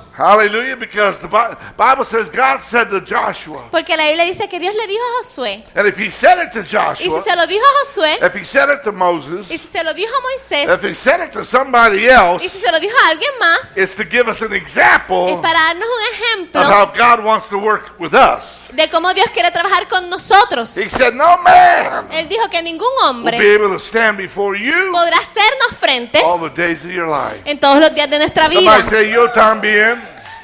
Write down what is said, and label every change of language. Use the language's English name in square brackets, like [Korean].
[English] Hallelujah, because the Bible says God said to Joshua. [Spanish] Porque la Biblia dice que Dios le dijo a Josué. [English] And if he said it to Joshua. [Spanish] Y si se lo dijo a Josué. [English] If he said it to Moses. [Spanish] Y si se lo dijo a Moisés. [English] If he said it to somebody else. [Spanish] Y si se lo dijo a alguien más. [English] It's to give us an example. [Spanish] Es para darnos un ejemplo. [English] Of how God wants to work with us. [Spanish] De cómo Dios quiere trabajar con nosotros. [English] He said no man. [Spanish] Él dijo que ningún hombre. [English] Will be able to stand before you. [Spanish] Podrá hacernos frente. [English] All the days of your life. [Spanish] En todos los días de nuestra vida. [English] Somebody say [Spanish] yo también.